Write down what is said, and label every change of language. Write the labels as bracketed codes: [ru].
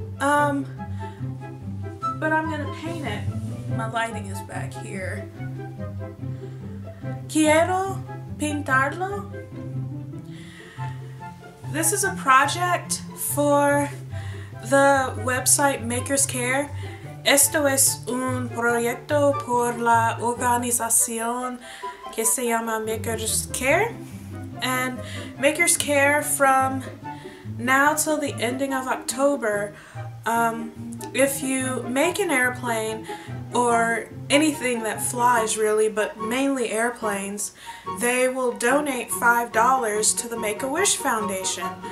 [en] But I'm going to paint it. My lighting is back here. [es] Quiero pintarlo. [en] This is a project for the website Makers Care. [es] Esto es un proyecto por la organización que se llama Makers Care. [en] And Makers Care, from now till the ending of October, if you make an airplane or anything that flies really, but mainly airplanes, they will donate $5 to the Make-A-Wish Foundation.